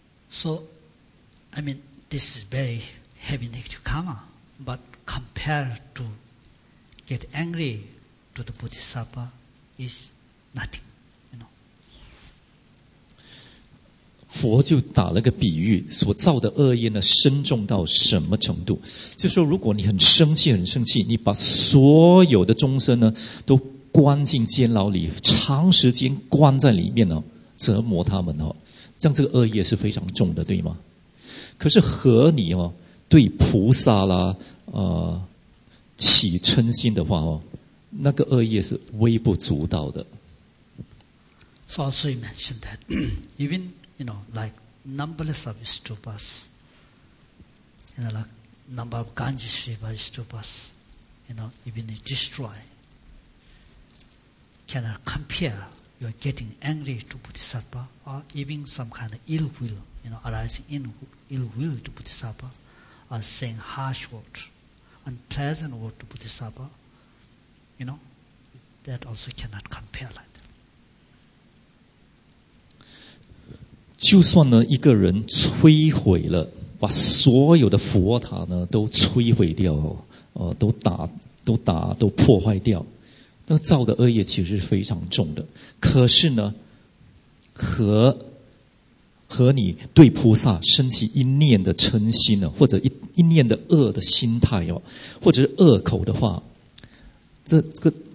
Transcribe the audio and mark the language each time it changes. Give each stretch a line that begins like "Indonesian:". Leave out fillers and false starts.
English: So, I mean, this is very heavy negative karma, but compared to get angry to the bodhisattva is nothing.
Chinese: 佛就打了个比喻，所造的恶业呢深重到什么程度，就是说如果你很生气很生气，你把所有的众生呢都关进监牢里，长时间关在里面呢折磨他们哦，这样这个恶业是非常重的，对吗？可是和你哦对菩萨啦起嗔心的话哦，那个恶业是微不足道的。
English: So also you mentioned that evenYou know, like numberless of stupas, you know, like number of Ganjishriva stupas, you know, even destroy, cannot compare your getting angry to Bodhisattva or even some kind of ill will, you know, arising in ill will to Bodhisattva or saying harsh words, unpleasant words to Bodhisattva, you know, that also cannot compare like that.
Chinese: 就算呢一个人摧毁了，把所有的佛塔呢都摧毁掉，都破坏掉，那造的恶业其实是非常重的。可是呢，和你对菩萨升起一念的嗔心呢，或者一念的恶的心态哦，或者是恶口的话，这个